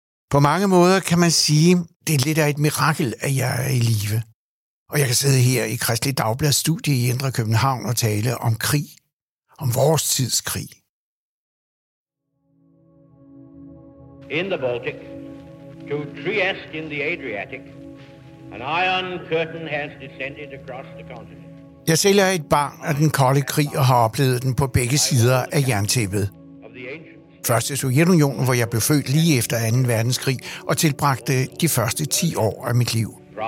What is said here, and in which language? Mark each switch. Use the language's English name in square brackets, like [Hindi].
[Danish] På mange måder kan man sige, det er lidt af et mirakel, at jeg er i live. Og jeg kan sidde her i Kristeligt Dagblads studie i Indre København og tale om krig. Om vores tids krig. [English] In the Baltic, to Trieste in the Adriatic, an iron curtain has descended across the continent. [Danish] Jeg selv er et barn af den kolde krig og har oplevet den på begge sider af jerntæppet. Først i Sovjetunionen, hvor jeg blev født lige efter 2. verdenskrig, og tilbragte de første 10 år af mit liv.